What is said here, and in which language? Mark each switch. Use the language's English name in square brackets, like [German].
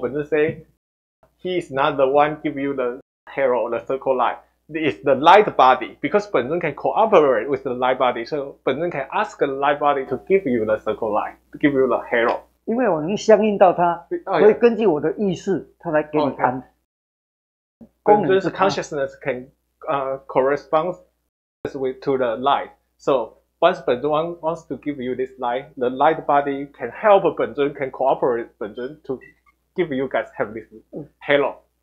[English] 本尊 say, he is not the one give you the halo or the circle line. It's the light body because 本尊 can cooperate with the light body. So 本尊 can ask the light body to give you the circle line, to give you the halo. [Chinese] 因为我能相应到它，所以根据我的意识，它来给你安。本尊是 [English] consciousness can correspond with to the light. So once 本尊 wants to give you this light, the light body can help 本尊 can cooperate 本尊 to give you guys have this halo.